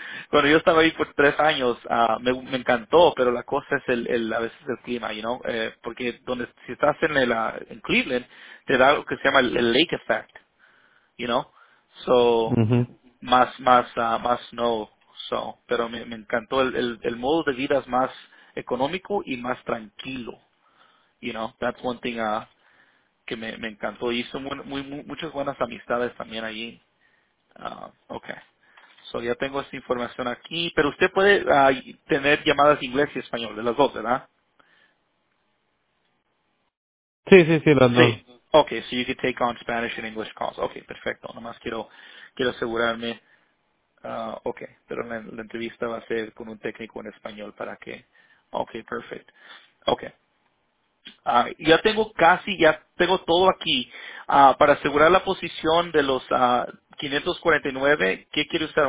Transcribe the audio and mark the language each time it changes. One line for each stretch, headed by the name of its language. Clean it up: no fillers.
Spanish: Cuando yo estaba ahí por 3 años, me encantó, pero la cosa es a veces el clima, you know, porque si estás en Cleveland, te da lo que se llama el lake effect, you know, so, más snow, so, pero me encantó el modo de vida es más económico y más tranquilo, you know,
English: that's one thing,
Spanish: que me encantó, hizo muchas buenas amistades también allí. Okay. So ya tengo esa información aquí, pero usted puede tener llamadas inglés y español, de las dos, ¿verdad? Sí, las dos. Sí.
English: Okay, so you can take on Spanish and English calls.
Spanish: Okay, perfecto. Nomás quiero asegurarme. Okay, pero la entrevista va a ser con un técnico en español para que. Okay, perfecto. Okay. Ya tengo todo aquí. Para asegurar la posición de los 549, ¿qué quiere usar?